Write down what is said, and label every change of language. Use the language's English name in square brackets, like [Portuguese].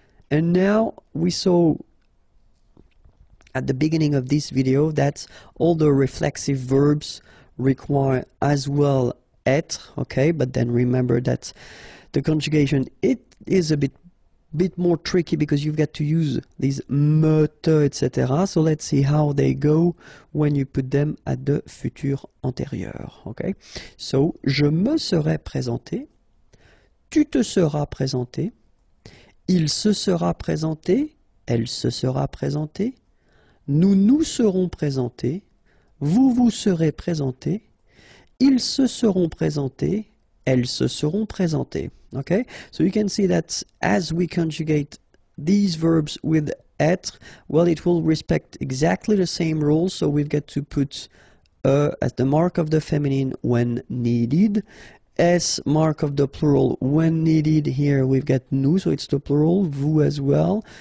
[English] And now we saw at the beginning of this video that all the reflexive verbs require as well être, okay? But then remember that the conjugation, it is a bit more tricky because you've got to use these me, etc. So let's see how they go when you put them at the futur antérieur, okay? [French] So, je me serai présenté, tu te seras présenté, il se sera présenté, elle se sera présentée, nous nous serons présentés, vous vous serez présentés, ils se seront présentés, elles se seront présentées. [English] Okay? So you can see that as we conjugate these verbs with être, well, it will respect exactly the same rule. So we've got to put as the mark of the feminine when needed. S mark of the plural when needed. Here we've got nous, so it's the plural, vous as well.